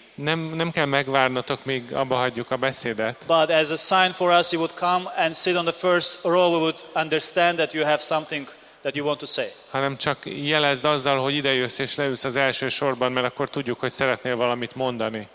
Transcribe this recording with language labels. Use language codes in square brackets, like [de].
[hu] Nem kell megvárnatok, míg abba hagyjuk a beszédet. [en] But as a sign for us, you would come and sit on the first row. We would understand that you have something that you want to say. [hu] Hanem csak jelezd azzal, hogy idejössz és leülsz az első sorban, mert akkor tudjuk, hogy szeretnél valamit mondani.